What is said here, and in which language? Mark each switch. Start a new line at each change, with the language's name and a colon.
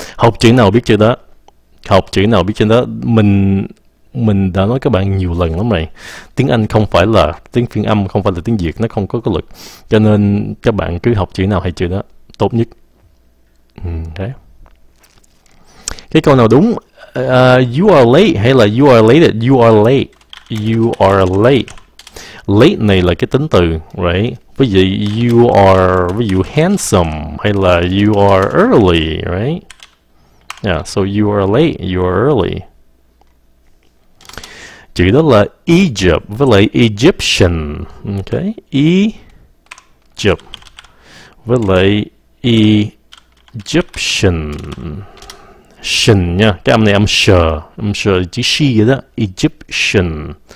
Vietnamese: Học chữ nào biết chữ đó? Học chữ nào biết chữ đó? Mình đã nói các bạn nhiều lần lắm rồi. Tiếng Anh không phải là tiếng phiên âm, không phải là tiếng Việt, nó không có cái lực. Cho nên các bạn cứ học chữ nào hay chữ đó tốt nhất. Thế. Cái câu nào đúng?
English: You are late
Vietnamese: hay là
English: you are late? You are late. You are late.
Vietnamese: Late này là cái tính từ, right? Ví dụ you are, ví dụ handsome hay là
English: you are early,
Vietnamese: right?
English: So you are late, you are early.
Vietnamese: Chữ đó là Egypt với lại Egyptian, okay? E Egypt với lại Egyptian, shin nha. Cái âm này âm sờ chữ she vậy đó, Egyptian.